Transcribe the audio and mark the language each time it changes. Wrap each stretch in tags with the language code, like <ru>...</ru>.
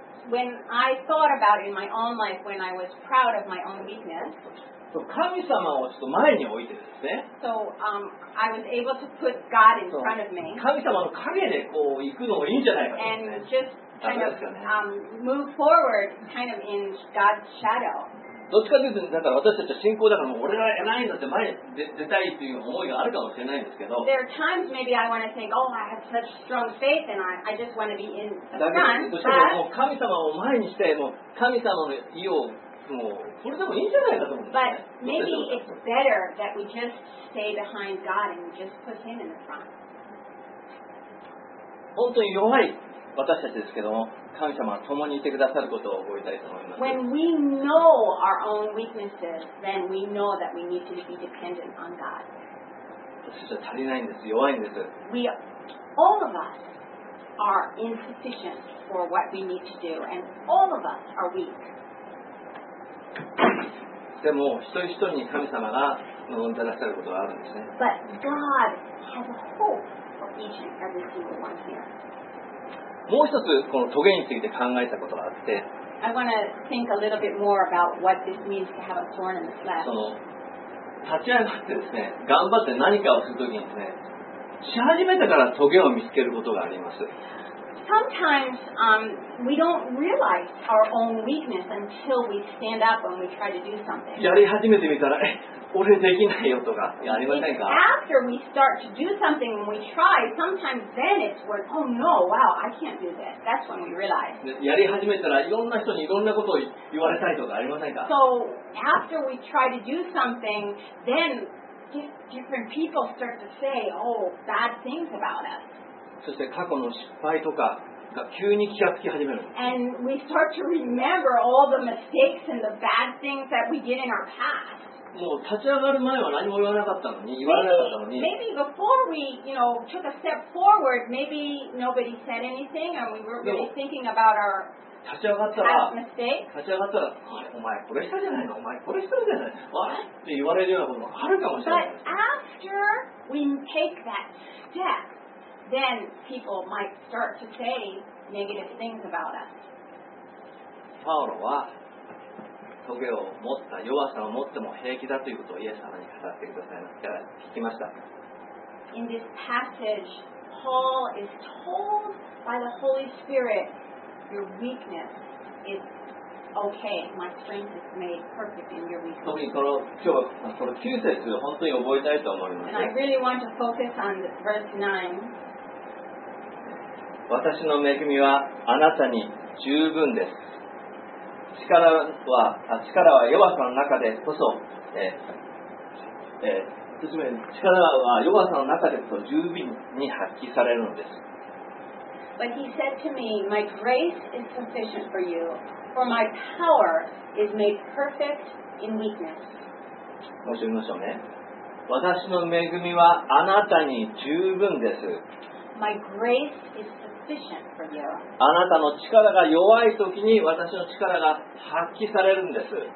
<en>When I thought about in my own life when I was proud of my own weakness,</en> <ja>神様をちょっと前に置いてですね、</ja> <en>so, I was able to put God in front of me,</en> <ja>神様の影でこう行くのがいいんじゃないかと、ね、</ja> <en>and just kind of, move forward kind of in God's shadow.</en> <ja>どっちかというとだから私たちは信仰だからもう俺が偉いんだって前に出たいっていう思いがあるかもしれないんですけど、</ja> <en>there are times maybe I want to think, oh, I have such strong faith and I just want to be in the front.</en> <ja>どちらかというともう神様を前にしてもう神様の意をもうそれでもいいんじゃないかと思う。</ja> <en>But maybe it's better that we just stay behind God and just put Him in the front.</en> <ja>本当に弱い私たちですけども、神様は共にいてくださることを覚えたいと思います。</ja> <en>When we know our own weaknesses, then we know that we need to be dependent on God.</en> <ja>私は足りないんです、弱いんです。</ja> <en>We, all of us are insufficient for what we need to do, and all of us are weak.</en> <ja>でも一人一人に神様が望んでらっしゃることがあるんですね。</ja> <en>But God has a hope for each and every single one here.</en> <ja>もう一つこのトゲについて考えたことがあって、</ja> <en>I want to think a little bit more about what this means to have a thorn in the flesh.</en> <ja>その立ち上がってですね、頑張って何かをするときにですね、し始めたからトゲを見つけることがあります。</ja> <en>Sometimes we don't realize our own weakness until we stand up when we try to do something.</en> <ja>やり始めてみたら、俺できないよとかありませんか?</ja> <en>After we start to do something and we try, sometimes then it's worth, oh no, wow, I can't do this. That's when we realize.</en> <ja>やり始めたらいろんな人にいろんなことを言われたりとかありませんか?</ja> <en>So after we try to do something, then different people start to say, oh, bad things about us.</en> <ja>そして過去の失敗とかが急に気がつき始める。</ja> <en>And we start to remember all the mistakes and the bad things that we did in our past.</en> <ja>もう立ち上がる前は何も言わなかったのに、言われなかったのに。</ja> <en>Maybe before we, you know, took a step forward, maybe nobody said anything and we were really thinking about our past mistakes.</en> <ja>立ち上がったら、お前これしたじゃないの、お前これしたじゃないの、あれって言われるようなこともあるかもしれない。</ja> <en>But after we take that step,Then people might start to say negative things about us.</en> <ja>パウロはトゲを持った弱さを持っても平気だということをイエス様に語ってくださいました。聞きました。</ja> <en>In this passage, Paul is told by the Holy Spirit, "Your weakness is okay. My strength is made perfect in your weakness."</en> <ja>特にこの今日はこの9節を本当に覚えたいと思います。</ja> <en>And I really want to focus on verse 9.</en> <ja>私の恵みはあなたに十分です。力は弱さの中でこそ、力は弱さの中でこそ十分に発揮されるのです。</ja> <en>But he said to me, My grace is sufficient for you, for my power is made perfect in weakness.</en> <ja>もう一度言いましょうね。私の恵みはあなたに十分です。</ja> <en>My grace is</en> <ja>あなたの力が弱い時に私の力が発揮されるんです。</ja>